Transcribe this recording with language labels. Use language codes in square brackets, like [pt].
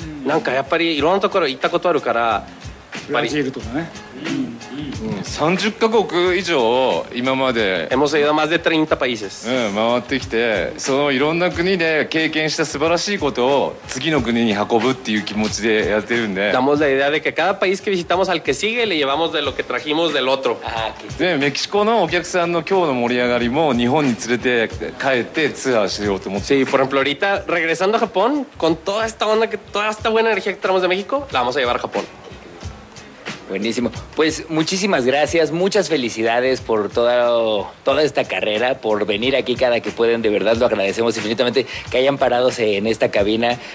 [ja] なんかやっぱりいろんなところ行ったことあるから、ブラジルとかね、 30カ国以上今まで [es] Hemos ido más de 30 países、 [ja] 回ってきて、そのいろんな国で経験した素晴らしいことを次の国に運ぶっていう気持ちでやってるんで、 [es] Damos la idea de que cada país que visitamos al que sigue le llevamos de lo que trajimos del otro。 [ja] でメキシコのお客さんの今日の盛り上がりも日本に連れて帰ってツアーしようと思って、 [es] Sí, por ejemplo ahorita regresando a Japón con toda esta onda, toda esta buena energía que traemos de México la vamos a llevar a Japón。 Buenísimo. Pues muchísimas gracias, muchas felicidades por toda esta carrera, por venir aquí cada que pueden. De verdad lo agradecemos infinitamente que hayan parado en esta cabina.